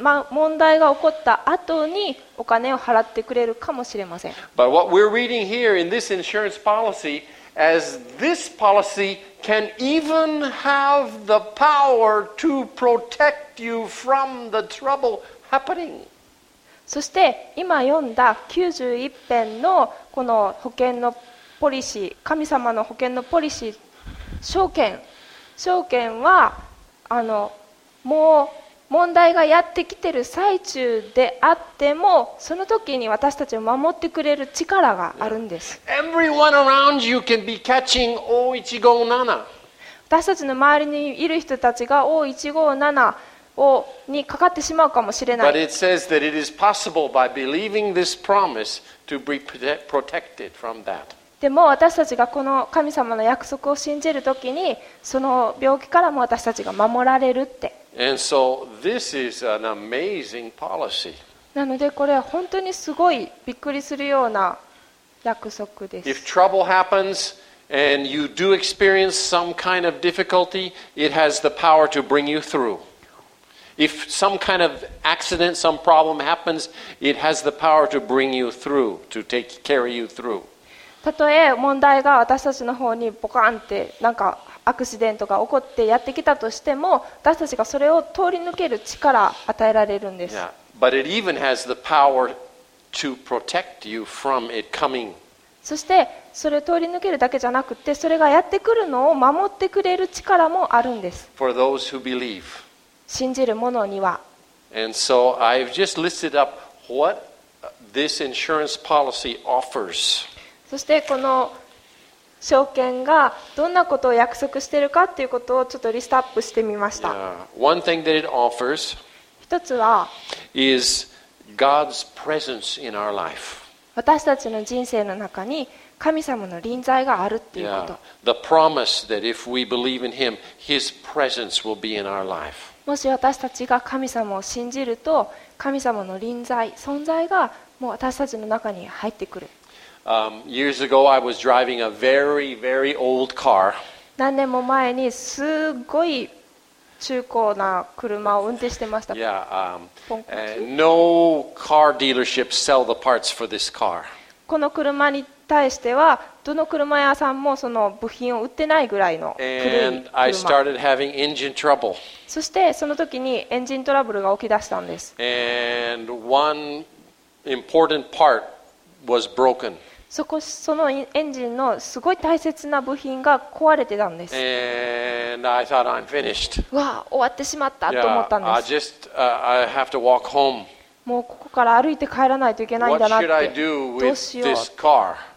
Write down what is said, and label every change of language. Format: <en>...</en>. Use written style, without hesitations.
<ja>問題が起こった後にお金を払ってくれるかもしれません。</ja> <en>But what we're reading here in this insurance policy, as this policy can even have the power to protect you from the trouble happening.</en> <ja>そして今読んだ91編のこの保険のポリシー、神様の保険のポリシー、証券はもう問題がやってきてる最中であっても、その時に私たちを守ってくれる力があるんです。</ja> <en>Everyone around you can be catching 517.</en> <ja>私たちの周りにいる人たちが O157をにかかってしまうかもしれない。</ja> <en>But it says that it is possible by believing this promise to be protected from that.</en> <ja>でも私たちがこの神様の約束を信じるときにその病気からも私たちが守られるって。</ja> <en>And so this is an amazing policy.</en> <ja>なのでこれは本当にすごいびっくりするような約束です。</ja> <en>If trouble happens and you do experience some kind of difficulty, it has the power to bring you through. If some kind of accident, some problem happens, it has the power to bring you through, to take carry you through.</en> <ja>たとえ問題が私たちの方にボカンってなんかアクシデントが起こってやってきたとしても私たちがそれを通り抜ける力を与えられるんです。</ja> <en>Yeah. But it even has the power to protect you from it coming.</en> <ja>そしてそれを通り抜けるだけじゃなくてそれがやってくるのを守ってくれる力もあるんです。</ja> <en>For those who believe.</en> <ja>信じる者には。</ja> <en>And so I've just listed up what this insurance policy offers.</en> <ja>そしてこの証券がどんなことを約束しているかということをちょっとリストアップしてみました。</ja> <en>Yeah. One thing that it offers</en> <ja>一つは</ja> <en>is God's presence in our life.</en> <ja>私たちの人生の中に神様の臨在があるということ。</ja> <en>Yeah. The promise that if we believe in Him, His presence will be in our life.</en> <ja>もし私たちが神様を信じると神様の臨在、存在がもう私たちの中に入ってくる。</ja> <en>Years ago, I was driving a very, very old car.</en> <ja>何年も前にすごい中古な車を運転してました。</ja> <en>Yeah, no car dealership sell the parts for this car.</en> <ja>この車に対してはどの車屋さんもその部品を売ってないぐらいの古い車。</ja> <en>And I started having engine trouble.</en> <ja>そしてその時にエンジントラブルが起き出したんです。</ja> <en>And one important part. Was broken.</en> <ja>そのエンジンのすごい大切な部品が壊れてたんです。</ja> <en>And I thought I'm finished.</en> <ja>わあ、終わってしまったと思ったんです。</ja> <en>I just, I have to walk home.</en> <ja>もうここから歩いて帰らないといけないんだなって。</ja> <en>What should I do with this car?</en>